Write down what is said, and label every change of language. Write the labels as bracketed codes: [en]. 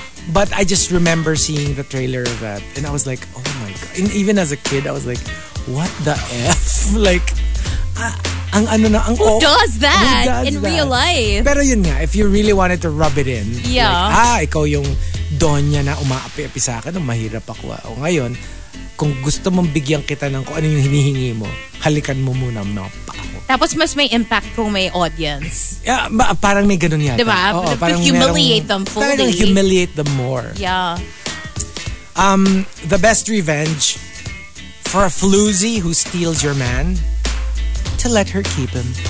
[en] But I just remember seeing the trailer of that. And I was like, oh my God. And even as a kid, I was like, what the F? [tl] Like... ang ano na, ang [en] who does that in real life? [tl] Pero yun nga, [en] if you really wanted to rub it in, yeah. [tl] Like, ikaw yung donya na umaapi-api sa akin, mahirap ako. O ngayon, kung gusto mong bigyan kita ng kung ano yung hinihingi mo, halikan mo muna mga pako. Tapos mas may impact kung may audience. Yeah, parang may ganun yata. Diba? Oo, [en] parang humiliate them fully. Humiliate them more. Yeah. The best revenge for a floozy who steals your man, to let her keep him.